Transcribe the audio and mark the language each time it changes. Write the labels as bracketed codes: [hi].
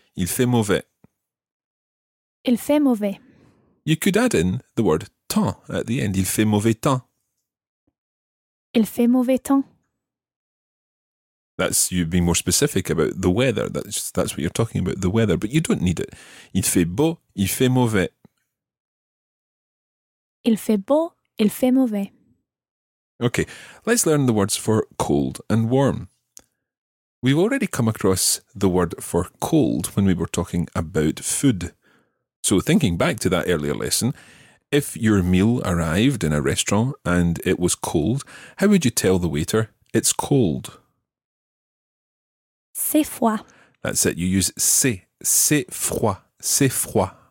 [fr] Il fait mauvais. Il fait mauvais. [en] You could add in the word temps at the end. [fr] Il fait mauvais temps. Il fait mauvais temps. [en] That's you being more specific about the weather. That's what you're talking about, the weather. But you don't need it. [fr] Il fait beau, il fait mauvais. Il fait beau, il fait mauvais. [en] Okay, let's learn the words for cold and warm. We've already come across the word for cold when we were talking about food. So thinking back to that earlier lesson, if your meal arrived in a restaurant and it was cold, how would you tell the waiter, it's cold? [fr] C'est froid. [en] That's it, you use [fr] c'est froid, c'est froid.